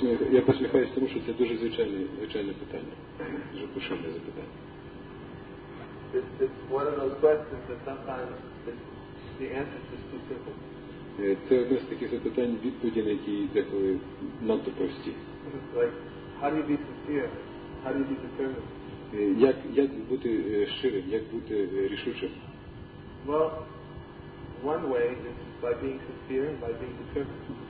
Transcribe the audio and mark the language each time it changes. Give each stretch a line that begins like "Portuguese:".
Ukrainian: Я посміхаюся тому, що це дуже звичайне питання. Дуже поширене запитання.
English: It's one of those questions that sometimes the answer is just too simple.
Ukrainian: Це одне з таких запитань, відповіді на які деколи надто прості.
English: Like, How do you be sincere? How do you be determined?
Ukrainian: Як бути щирим, як бути рішучим?
English: Well, one way is by being sincere and by being determined.